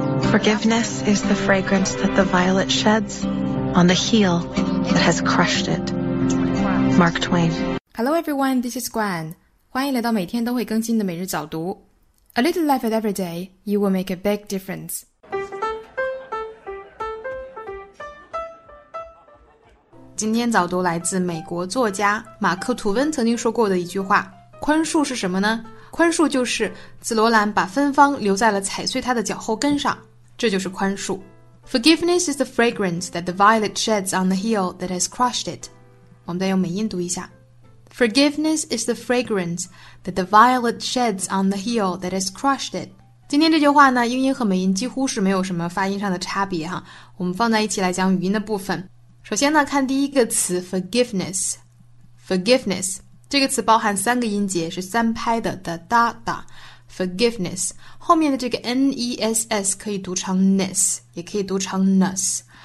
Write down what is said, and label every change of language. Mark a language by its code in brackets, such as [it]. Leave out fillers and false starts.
[en] Forgiveness is the fragrance that the violet sheds on the heel that has crushed it. Mark Twain. Hello everyone, this is Gwen. [zh] 欢迎来到每天都会更新的每日早读。 [en] A little life at every day, you will make a big difference. [zh] 今天早读来自美国作家马克·吐温曾经说过的一句话，宽恕是什么呢？宽恕就是紫罗兰把芬芳留在了踩碎他的脚后跟上，这就是宽恕。 [en] Forgiveness is the fragrance that the violet sheds on the heel that has crushed it. [zh] 我们再用美音读一下。 [en] Forgiveness is the fragrance that the violet sheds on the heel that has crushed it. [zh] 今天这句话呢，英音和美音几乎是没有什么发音上的差别哈。我们放在一起来讲语音的部分。首先呢，看第一个词 forgiveness。Forgiveness 这个词包含三个音节，是三拍的 da da da。 Forgiveness 后面的这个 ness 可以读成 ness， 也可以读成 ness。